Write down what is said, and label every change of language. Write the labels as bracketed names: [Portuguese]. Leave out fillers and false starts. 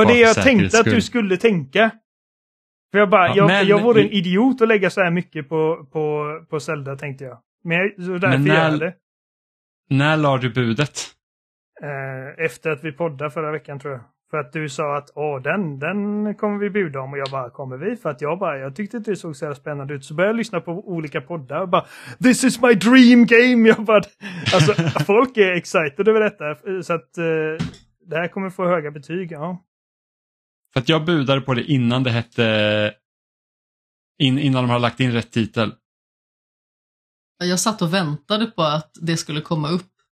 [Swedish] Det var det jag tänkte att du skulle tänka. För jag bara, ja, jag vore en idiot att lägga så här mycket på Zelda, tänkte jag. Men så därför men när, jag det. När la du budet? Efter att vi poddade förra veckan, tror jag. För att du sa att den kommer vi buda om. Och jag bara, kommer vi? För att jag tyckte att det såg så här spännande ut. Så började jag lyssna på olika poddar. Och bara, [English] this is my dream game! [Swedish] Jag bara, alltså, folk är excited över detta. Så att... Det här kommer få höga betyg, ja. För att jag budade på det innan det hette... Innan de har lagt in rätt titel. Jag satt och väntade på att det skulle komma upp.